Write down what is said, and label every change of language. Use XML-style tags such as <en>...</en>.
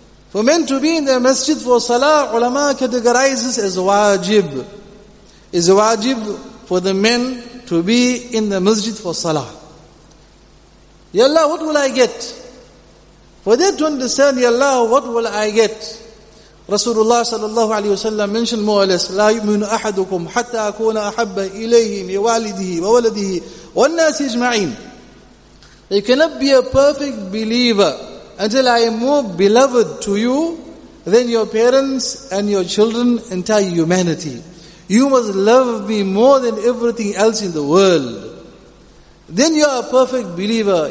<en>For men to be in the masjid for salah, ulama categorizes as wajib. It's wajib for the men to be in the masjid for salah. Ya Allah, what will I get? For that to understand, Ya Allah, what will I get? Rasulullah sallallahu alayhi wa sallam mentioned more or less,</en> <ar>لا يؤمن أحدكم حتى أكون أحب إليه لوالده وولده والناس أجمعين.</ar> <en>You cannot be a perfect believer until I am more beloved to you than your parents and your children, entire humanity. You must love me more than everything else in the world. Then you are a perfect believer.</en>